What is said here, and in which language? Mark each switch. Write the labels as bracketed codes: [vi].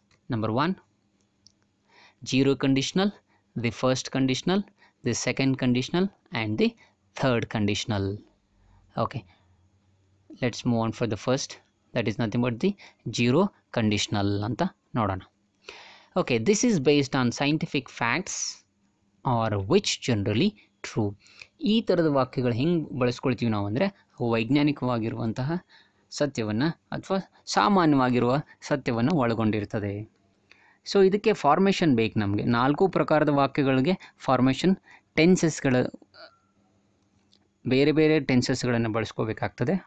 [en] Number one, zero conditional, the first conditional, the second conditional and the third conditional. Okay, let's move on for the first, that is nothing but the zero conditional [kn] ಅಂತ ನೋಡೋಣ. [en] Okay, this is based on scientific facts or which generally true. [kn] ಈ ಥರದ ವಾಕ್ಯಗಳು ಹೆಂಗೆ ಬಳಸ್ಕೊಳ್ತೀವಿ ನಾವು ಅಂದರೆ ವೈಜ್ಞಾನಿಕವಾಗಿರುವಂತಹ ಸತ್ಯವನ್ನು ಅಥವಾ ಸಾಮಾನ್ಯವಾಗಿರುವ ಸತ್ಯವನ್ನು ಒಳಗೊಂಡಿರ್ತದೆ. ಸೊ ಇದಕ್ಕೆ ಫಾರ್ಮೇಷನ್ ಬೇಕು ನಮಗೆ. ನಾಲ್ಕು ಪ್ರಕಾರದ ವಾಕ್ಯಗಳಿಗೆ ಫಾರ್ಮೇಷನ್ ಟೆನ್ಸಸ್ಗಳ ಬೇರೆ ಬೇರೆ ಟೆನ್ಸಸ್ಗಳನ್ನು ಬಳಸ್ಕೋಬೇಕಾಗ್ತದೆ.